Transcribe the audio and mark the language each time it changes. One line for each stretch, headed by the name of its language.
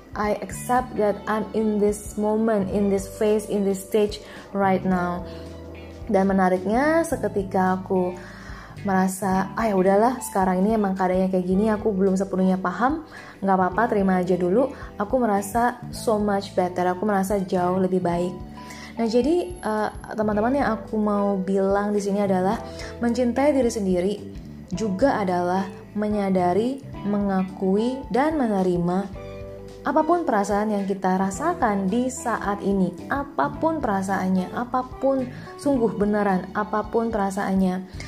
English: I accept that I'm in this moment, in this phase, in this stage right now.
Indonesian: Dan menariknya, seketika aku merasa, ah ya udahlah, sekarang ini emang keadaannya kayak gini, aku belum sepenuhnya paham, nggak apa-apa, terima aja dulu. Aku merasa
English: so much better.
Indonesian: Aku merasa jauh lebih baik. Nah, jadi teman-teman, yang aku mau bilang di sini adalah mencintai diri sendiri juga adalah menyadari, mengakui, dan menerima apapun perasaan yang kita rasakan di saat ini, apapun perasaannya, apapun sungguh beneran, apapun perasaannya.